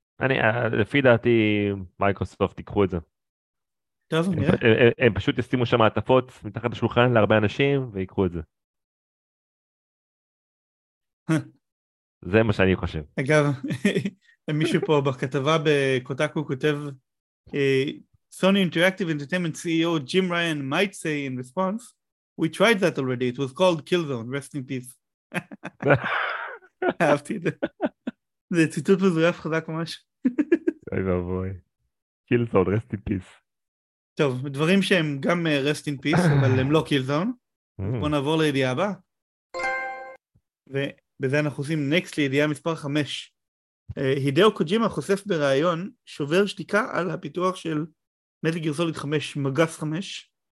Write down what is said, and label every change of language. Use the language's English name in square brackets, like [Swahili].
[Hebrew] אני, לפי דעתי, מייקרוסופט תיקחו את זה. טוב, הם, הם פשוט ישימו שם עטפות מתחת לשולחן להרבה אנשים ויקחו את זה. זה מה שאני חושב. אגב, מישהו פה בכתבה בקוטאקו כותב, [English] Sony Interactive Entertainment CEO Jim Ryan might say in response, we tried that already, it was called Killzone, rest in peace. [Hebrew] אהבתי את זה. זה ציטוט מזויף חזק ממש. אוי ואבוי. קילזון, [English] rest in peace. [Hebrew] טוב, דברים שהם גם [English] rest in peace, [Hebrew] אבל הם לא קילזון. בואו נעבור לידיעה הבאה. ובזה אנחנו עושים next לידיעה מספר 5. הידאו קוג'ימה חושף ברעיון שובר שתיקה על הפיתוח של מטל גיר סוליד 5, מגס 5.